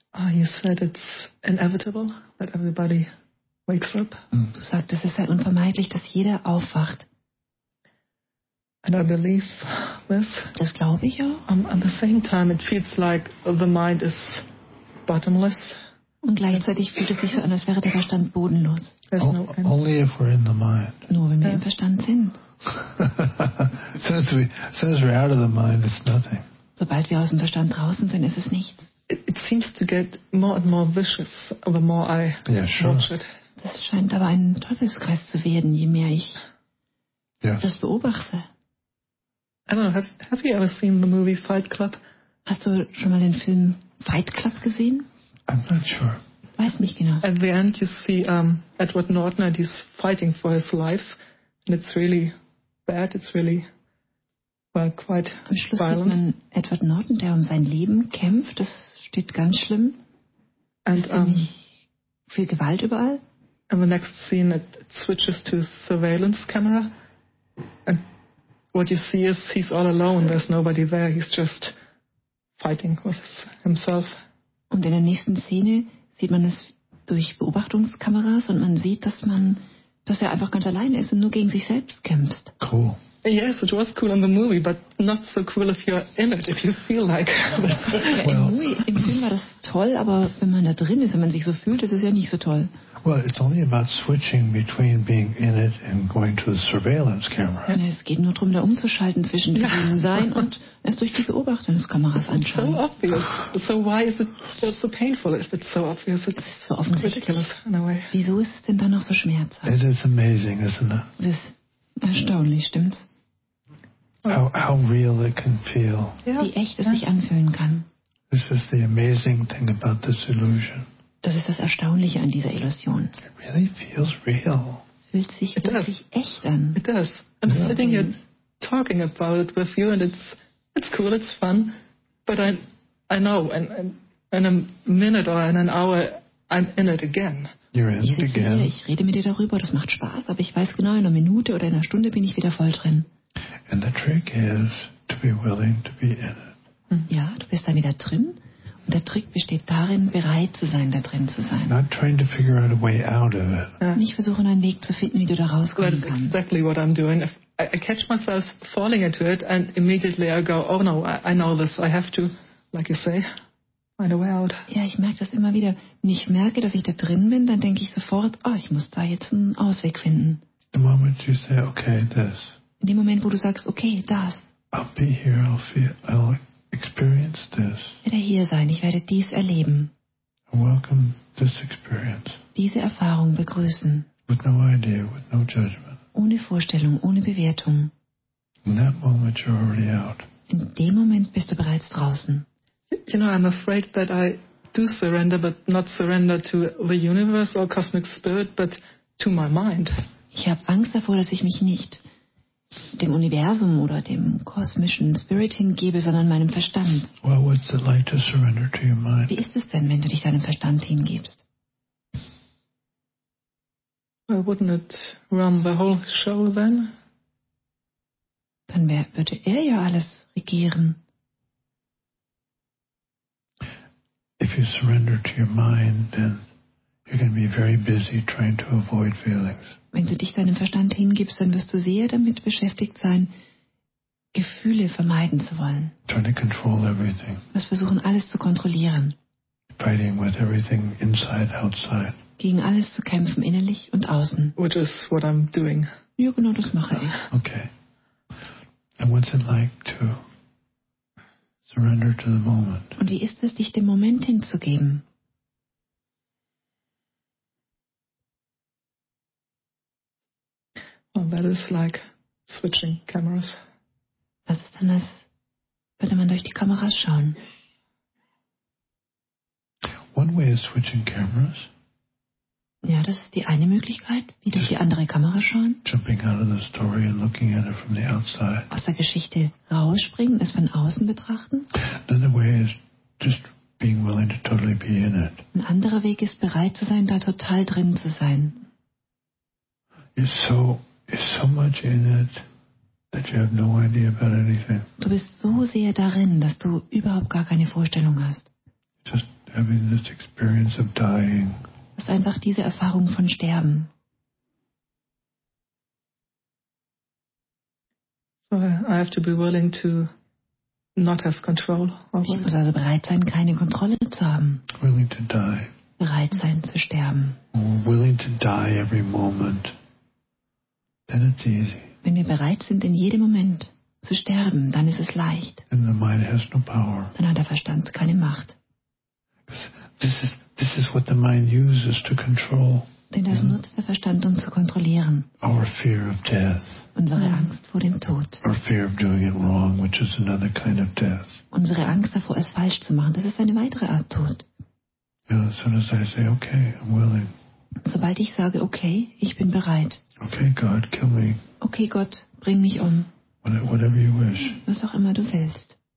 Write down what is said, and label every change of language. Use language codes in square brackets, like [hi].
[en] You said it's inevitable that everybody wakes up. [de] Du sagst, es ist ja unvermeidlich, dass jeder aufwacht. [en] And I believe this. [de] Das glaube ich auch. [en] At the same time, it feels like the mind is bottomless. [de] Und gleichzeitig fühlt es sich so an, als wäre der Verstand bodenlos. [en] Only if we're in the mind. [de] Nur wenn wir im Verstand sind. [en] since we're out of the mind, it's nothing. [de] Sobald wir aus dem Verstand draußen sind, ist es nichts. [en] It seems to get more and more vicious the more I watch it. [de] Das scheint aber ein Teufelskreis zu werden, je mehr ich das beobachte. [en] I don't know, have you ever seen the movie Fight Club? [de] Hast du schon mal den Film Fight Club gesehen? [en] I'm not sure. [de] Weiß nicht genau. [en] At the end you see Edward Norton and he's fighting for his life and it's really bad, it's really quite [de] am Schluss [en] violent. [de] Sieht man Edward Norton, der um sein Leben kämpft. Das steht ganz schlimm. [en] And, [de] ist ziemlich viel Gewalt überall. [en] And the next scene it switches to surveillance camera. And what you see is he's all alone. There's nobody there. He's just fighting with himself. [de] Und in der nächsten Szene sieht man es durch Beobachtungskameras und man sieht, dass er einfach ganz alleine ist und nur gegen sich selbst kämpft. [en] Cool. Yes, it was cool in the movie, but not so cool if you're in it, if you feel like [de] well, im Film war das toll, aber wenn man da drin ist, wenn man sich so fühlt, ist es ja nicht so toll. [en] Well, it's only about switching between being in it and going to the surveillance camera. [de] Ja, es geht nur darum, da umzuschalten zwischen dem Sein und es durch die Beobachtungskameras anschauen. [en] It's so obvious. So why is it still so painful if it's so obvious? It's [de] so offensichtlich. [en] Ridiculous in a way. [de] Wieso ist es denn dann noch so schmerzhaft? [en] It is amazing, isn't it? [de] This erstaunlich, stimmt's? [en] How real it can feel. Yeah. [de] Wie echt es sich anfühlen kann. [en] This is the amazing thing about this illusion. [de] Das ist das Erstaunliche an dieser Illusion. [en] It really feels real. [de] Fühlt sich [en] it [de] wirklich [en] does. [de] Echt an. [en] It does. I'm sitting here talking about it with you and it's cool, it's fun. But I know in a minute or in an hour I'm in it again. [de] Ich rede mit dir darüber, das macht Spaß, aber ich weiß genau, in einer Minute oder in einer Stunde bin ich wieder voll drin. [en] And the trick is to be willing to be in it. [de] Ja, du bist da wieder drin und der Trick besteht darin, bereit zu sein, da drin zu sein. [en] Not trying to figure out a way out of it. [de] Nicht versuchen, einen Weg zu finden, wie du da rauskommen kannst. [en] That's exactly what I'm doing. I catch myself falling into it and immediately I go, oh no, I know this, I have to, like you say. [de] Ja, ich merke das immer wieder. Wenn ich merke, dass ich da drin bin, dann denke ich sofort, oh, ich muss da jetzt einen Ausweg finden. [en] The moment you say, okay, this. [de] In dem Moment, wo du sagst, okay, das. [en] I'll be here, I'll experience this. [de] Werde hier sein, ich werde dies erleben. [en] Welcome this experience. [de] Diese Erfahrung begrüßen. [en] With no idea, with no judgment. [de] Ohne Vorstellung, ohne Bewertung. [en] In that moment you're already out. [de] In dem Moment bist du bereits draußen. [en] You know, I'm afraid that I do surrender, but not surrender to the universe or cosmic spirit, but to my mind. [de] Ich habe Angst davor, dass ich mich nicht dem Universum oder dem kosmischen Spirit hingebe, sondern meinem Verstand. [en] Well, what's it like to surrender to your mind? [de] Wie ist es denn, wenn du dich deinem Verstand hingibst? [en] Well, wouldn't it run the whole show then? [de] Dann würde er ja alles regieren. [en] If you surrender to your mind, then you're going to be very busy trying to avoid feelings. [de] Wenn du dich deinem Verstand hingibst, dann wirst du sehr damit beschäftigt sein, Gefühle vermeiden zu wollen. [en] Trying to control everything. [de] Was versuchen alles zu kontrollieren. [en] Fighting with everything inside, outside. [de] Gegen alles zu kämpfen, innerlich und außen. [en] Which is what I'm doing. [de] Ja, genau, das mache ich. [en] Okay. And what's it like to surrender to the moment. [de] Und wie ist es, dich dem Moment hinzugeben? [en] that is like switching cameras. [de] Was ist denn das, würde man durch die Kameras schauen? [en] One way is switching cameras. [de] Ja, das ist die eine Möglichkeit, wie durch die andere Kamera schauen. [en] Jumping out of the story and looking at it from the outside. [de] Aus der Geschichte rausspringen, es von außen betrachten. [en] Another way is just being willing to totally be in it. [de] Ein anderer Weg ist bereit zu sein, da total drin zu sein. [en] You're so much in it that you have no idea about anything. [de] Du bist so sehr darin, dass du überhaupt gar keine Vorstellung hast. [en] Just having this experience of dying. [de] Das ist einfach diese Erfahrung von Sterben. [en] So I have to be willing to not have control over. [de] Ich muss also bereit sein, keine Kontrolle zu haben. [en] Willing to die. [de] Bereit sein zu sterben. [en] Willing to die every moment. Then it's easy. [de] Wenn wir bereit sind, in jedem Moment zu sterben, dann ist es leicht. [en] And the mind has no power. [de] Dann hat der Verstand keine Macht. [en] This is what the mind uses to control. [de] Denn das nutzt der Verstand, um zu kontrollieren. [en] Our fear of death. [de] Unsere Angst vor dem Tod. [en] Our fear of doing it wrong, which is another kind of death. [de] Unsere Angst davor, es falsch zu machen, das ist eine weitere Art Tod. [en] Yeah, as soon as I say, okay, I'm willing. [de] Sobald ich sage, okay, ich bin bereit. [en] Okay, God, kill me. [de] Okay, Gott, bring mich um. [en] Whatever you wish. [de] Was auch immer du willst.